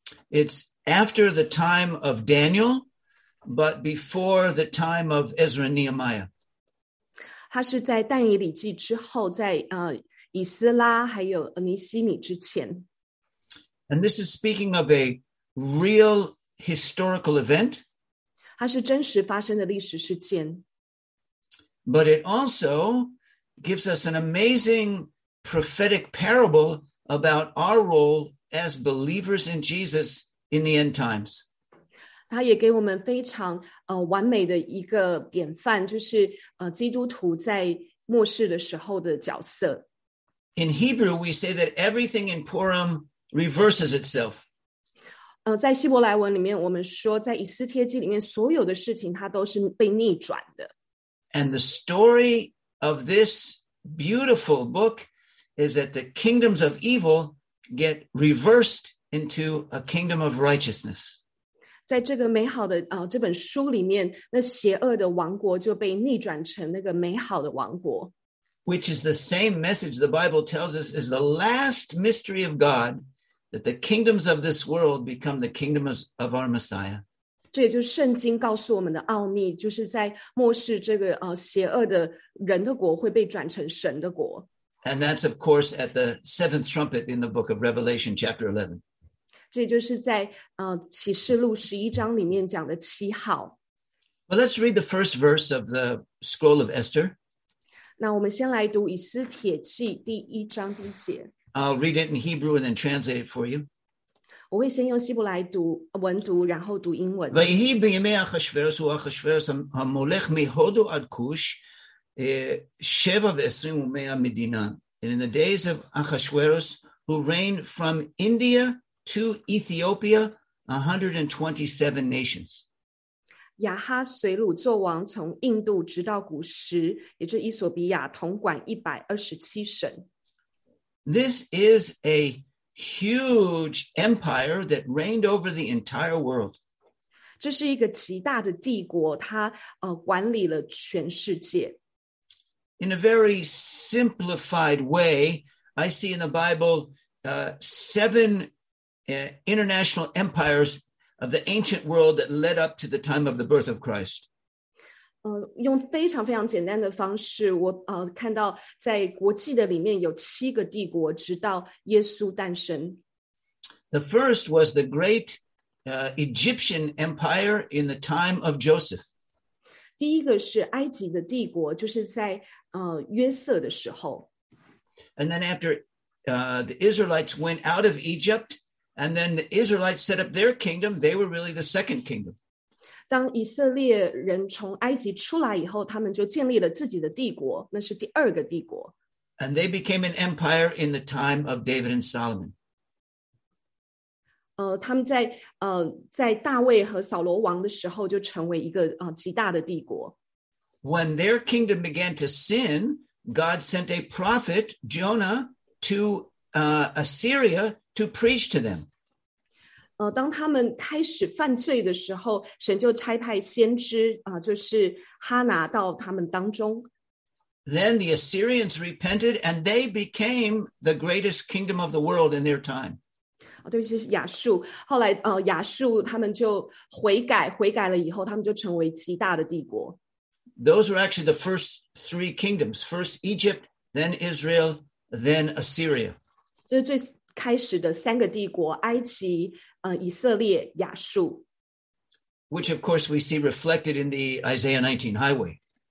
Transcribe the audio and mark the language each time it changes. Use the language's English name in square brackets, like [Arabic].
[English] It's after the time of Daniel, but before the time of Ezra and Nehemiah. [Chinese] 它是在但以理记之后，在以斯拉还有尼希米之前。 [English] And this is speaking of a real historical event. [Chinese] 它是真实发生的历史事件。 [English] But it also gives us an amazing prophetic parable about our role as believers in Jesus in the end times. [Chinese] 他也给我们非常完美的一个典范，就是基督徒在末世的时候的角色。 [English] In Hebrew, we say that everything in Purim reverses itself. [Chinese] 在希伯来文里面，我们说在以斯帖记里面，所有的事情它都是被逆转的。 [English] And the story of this beautiful book is that the kingdoms of evil get reversed into a kingdom of righteousness. [Chinese] 在这个美好的这本书里面，那邪恶的王国就被逆转成那个美好的王国。 [English] Which is the same message the Bible tells us is the last mystery of God, that the kingdoms of this world become the kingdoms of our Messiah. [Chinese] 这也就是圣经告诉我们的奥秘，就是在末世这个邪恶的人的国会被转成神的国。 [English] And that's, of course, at the seventh trumpet in the book of Revelation, chapter 11. [Chinese] 这就是在启示录十一章里面讲的七号。 [English] Well, let's read the first verse of the scroll of Esther. [Chinese] 那我们先来读以斯帖记第一章第一节。 [English] I'll read it in Hebrew and then translate it for you. [Chinese] 我会先用希伯来读文读，然后读英文。 [Hebrew] ויהי בימי אחשוורוס ואחשוורוס המולך מהודו עד כוש, [English] and in the days of Ahasuerus, who reigned from India to Ethiopia, 127 nations. [Chinese] 亚哈随鲁作王，从印度直到古时，也就是伊索比亚，统管127省。 [English] This is a huge empire that reigned over the entire world. [Chinese] 这是一个极大的帝国，它管理了全世界。 [English] In a very simplified way, I see in the Bible seven international empires of the ancient world that led up to the time of the birth of Christ. [Chinese] 用非常非常简单的方式，我看到在国际的里面有七个帝国，直到耶稣诞生。 [English] The first was the great Egyptian empire in the time of Joseph. [Chinese] 第一个是埃及的帝国，就是在约瑟的时候。 [English] And then after the Israelites went out of Egypt, and then the Israelites set up their kingdom. They were really the second kingdom. [Chinese] 当以色列人从埃及出来以后, 他们就建立了自己的帝国, 那是第二个帝国。 [English] And they became an empire in the time of David and Solomon. [Chinese] 他们在大卫和扫罗王的时候, 就成为一个, 极大的帝国。 [English] When their kingdom began to sin, God sent a prophet, Jonah, to Assyria to preach to them. [Chinese] 当他们开始犯罪的时候, 神就差派先知, 就是哈拿到他们当中。 [English] Then the Assyrians repented, and they became the greatest kingdom of the world in their time. [Chinese] 对，是亚述。后来, 亚述他们就悔改, 悔改了以后, 他们就成为极大的帝国。 [English] Those were actually the first three kingdoms, first Egypt, then Israel, then Assyria. [Chinese] 这是最开始的三个帝国, 埃及, 以色列, 亚述。 [English] Which, of course, we see reflected in the Isaiah 19 highway.